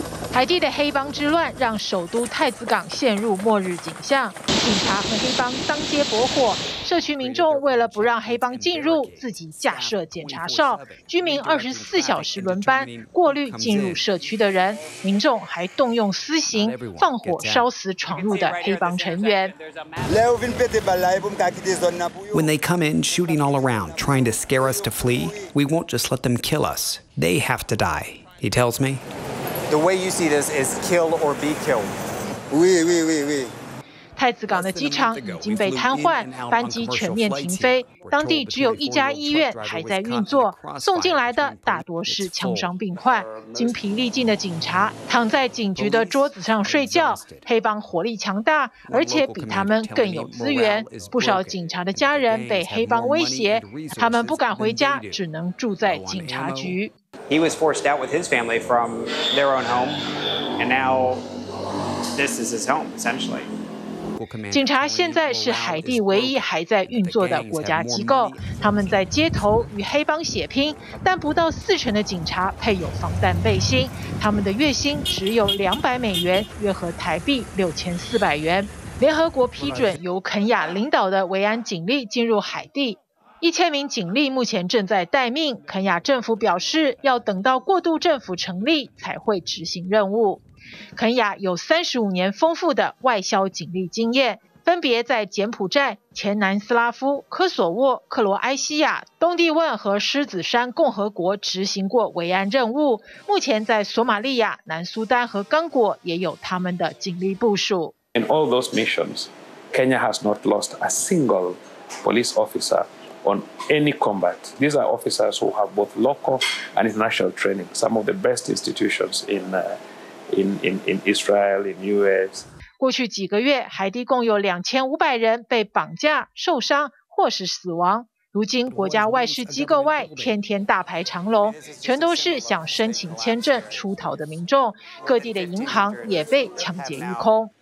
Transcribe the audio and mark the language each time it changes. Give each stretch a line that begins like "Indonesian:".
Chinese: 海地的黑帮之乱让首都太子港陷入末日景象，警察和黑帮当街搏火，社区民众为了不让黑帮进入，自己架设检查哨，居民24小时轮班过滤进入社区的人，民众还动用私刑放火烧死闯入的黑帮成员。
English: When they come in, shooting all around, trying to scare us to flee, we won't just let them kill us. They have to die. He tells me. The way you see this is kill or be killed.
French: Oui, oui, oui, oui.
Chinese: 太子港的机场已经被瘫痪，班机全面停飞，当地只有一家医院还在运作，送进来的大多是枪伤病患。精疲力尽的警察躺在警局的桌子上睡觉，黑帮火力强大，而且比他们更有资源，不少警察的家人被黑帮威胁，他们不敢回家，只能住在警察局。
English: He was forced out with his family from their own home, and now this is his home, essentially.
Chinese: 警察现在是海地唯一还在运作的国家机构，他们在街头与黑帮血拼，但不到四成的警察配有防弹背心，他们的月薪只有200美元，约合台币6400元。联合国批准由肯亚领导的维安警力进入海地，1000名警力目前正在待命，肯亚政府表示要等到过渡政府成立才会执行任务。肯亚有35年丰富的外销警力经验，分别在柬埔寨、前南斯拉夫、科索沃、克罗埃西亚、东帝汶和狮子山共和国执行过维安任务，目前在索马利亚、南苏丹和刚果也有他们的警力部署。
English: In all those missions, Kenya has not lost a single police officer on any combat. These are officers who have both local and international training, some of the best institutions in Israel, in US.
Chinese: 过去几个月，海地共有2500人被绑架、受伤或是死亡。如今，国家外事机构外天天大排长龙，全都是想申请签证出逃的民众。各地的银行也被抢劫一空。